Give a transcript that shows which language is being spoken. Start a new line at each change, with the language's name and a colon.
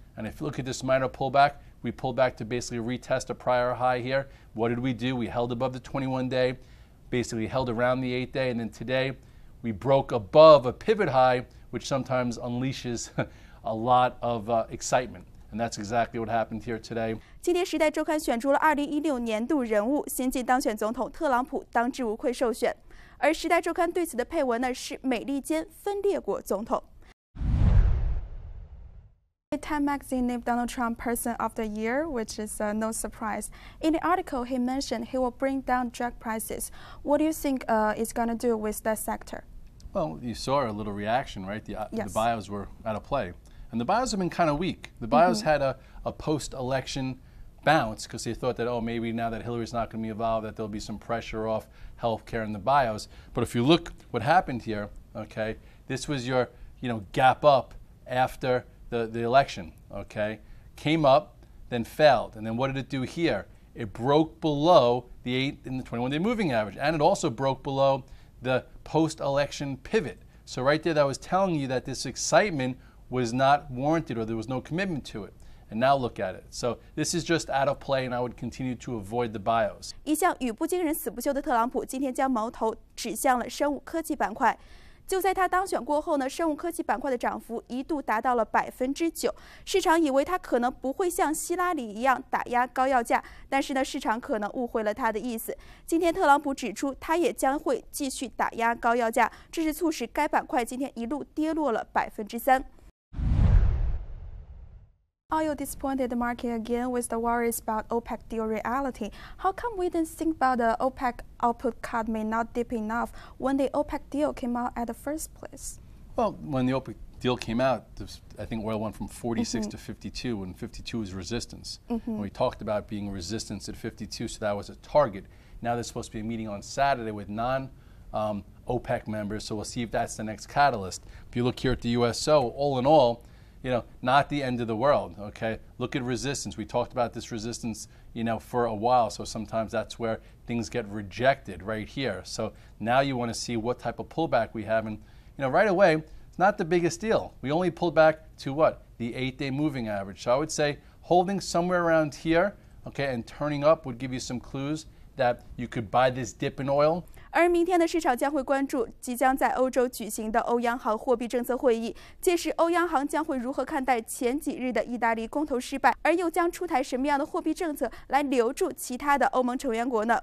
English: And if you look at this minor pullback, we pulled back to basically retest a prior high here. What did we do? We held above the 21-day, basically held around the 8-day, and then today we broke above a pivot high, which sometimes unleashes a lot of excitement. And that's exactly what happened here today.
Chinese: 今天时代周刊选出了2016年度人物，新晋当选总统特朗普当之无愧受选。而时代周刊对此的配文呢，是美利坚分裂国总统。
English: Time magazine named Donald Trump Person of the Year, which is no surprise. In the article, he mentioned he will bring down drug prices. What do you think is going to do with that sector? Well, you saw a little reaction, right? The bios were out of play. And the bios have been kind of weak. The bios had a post-election bounce because they thought that, oh, maybe now that Hillary's not going to be involved, that there'll be some pressure off healthcare in the bios. But if you look what happened here, okay, this was your, you know, gap up after the election, okay? Came up, then failed. And then what did it do here? It broke below the 8 and the 21-day moving average. And it also broke below the post-election pivot. So right there, that was telling you that this excitement was not warranted or there was no commitment to it. And now look at it. So this is just out of play and I would continue to avoid the bios.
Chinese: 一向语不惊人死不休的特朗普今天将矛头指向了生物科技板块。就在他当选过后呢，生物科技板块的涨幅一度达到了9%。市场以为他可能不会像希拉里一样打压高药价，但是呢，市场可能误会了他的意思。今天特朗普指出，他也将会继续打压高药价，这是促使该板块今天一路跌落了3%。
English: Oil disappointed the market again with the worries about OPEC deal reality. How come we didn't think about the OPEC output cut may not dip enough when the OPEC deal came out at the first place? Well, when the OPEC deal came out, I think oil went from 46 to 52, and 52 was resistance. Mm-hmm. And we talked about being resistance at 52, so that was a target. Now there's supposed to be a meeting on Saturday with non-OPEC members, so we'll see if that's the next catalyst. If you look here at the USO, all in all, you know, not the end of the world, okay? Look at resistance. We talked about this resistance, you know, for a while, so sometimes that's where things get rejected right here. So now you want to see what type of pullback we have. And, you know, right away, it's not the biggest deal. We only pulled back to what? The 8-day moving average. So I would say holding somewhere around here, okay, and turning up would give you some clues that you could buy this dip in oil.
Chinese: 而明天的市场将会关注即将在欧洲举行的欧央行货币政策会议，届时欧央行将会如何看待前几日的意大利公投失败，而又将出台什么样的货币政策来留住其他的欧盟成员国呢？